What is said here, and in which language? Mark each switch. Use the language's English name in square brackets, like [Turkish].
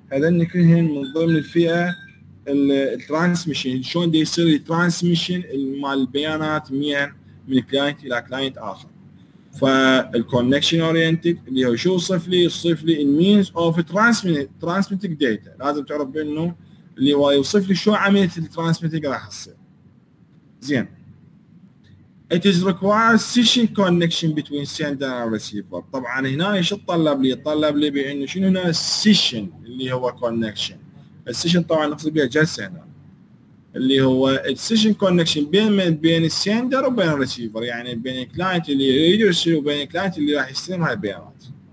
[Arabic] هذني كلهم من ضمن الفئه الترانسميشن، شلون دي يصير الترانسميشن مال البيانات من كلاينت الى كلاينت اخر. فالكونكشن اورينتد اللي هو شو صف لي، يصف لي المينز اوف ترانسميتنج داتا، لازم تعرف انه اللي هو يوصف لي شو عمليه الترانسميتنج راح تصير. [English] زين، it is required session connection between sender and receiver. [Arabic] طبعا هنا ايش طلب لي؟ طلب لي بانه شنو هنا session اللي هو connection. السيشن طبعا نقصد بها جلسه هنا اللي هو السيشن كونكشن بين السيندر وبين الريسيفر، يعني بين الكلاينت اللي يريد يرسل وبين الكلاينت اللي راح يستلم هاي البيانات.